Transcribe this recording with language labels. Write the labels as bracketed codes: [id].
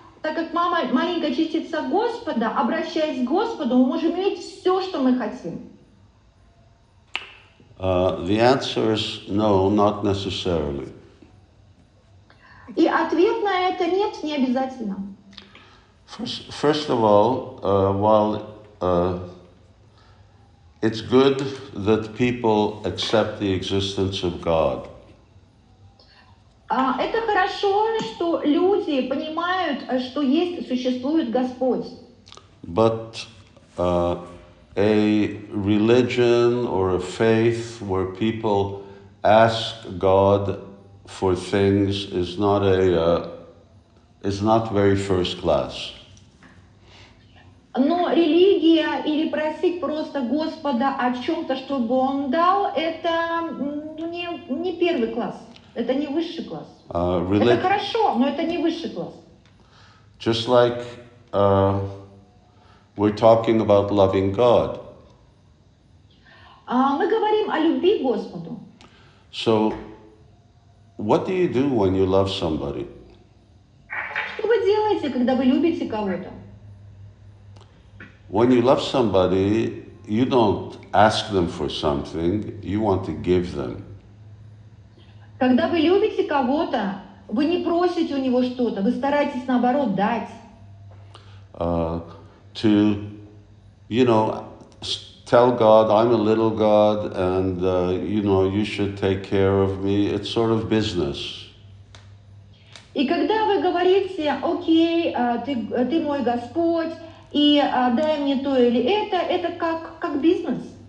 [ru] Так как мама маленькая частица Господа, обращаясь к Господу, мы можем иметь все, что мы хотим. [en] The answer is no, not necessarily. [ru] И ответ на это нет, не обязательно. [en] First of all, while it's good that people accept the existence of God. [ru] Это хорошо, что люди понимают, что есть, существует Господь. [en] But a religion or a faith where people ask God for things is not very first class. [ru] Но религия или просить просто Господа о чем-то, чтобы Он дал, это не первый класс. Это не высший класс. Это хорошо, но это не высший класс. [en] Just like we're talking about loving God. [ru] Мы говорим о любви к Господу. [en] So, what do you do when you love somebody? [ru] Что вы делаете, когда вы любите кого-то? [en] When you love somebody, you don't ask them for something, you want to give them. [ru] Когда вы любите кого-то, вы не просите у него что-то, вы стараетесь наоборот дать. [en] To, you know, tell God, I'm a little God, and you know, you should take care of me. It's sort of business. [ru] И когда вы говорите, окей, ты мой Господь, и дай мне то или это как бизнес.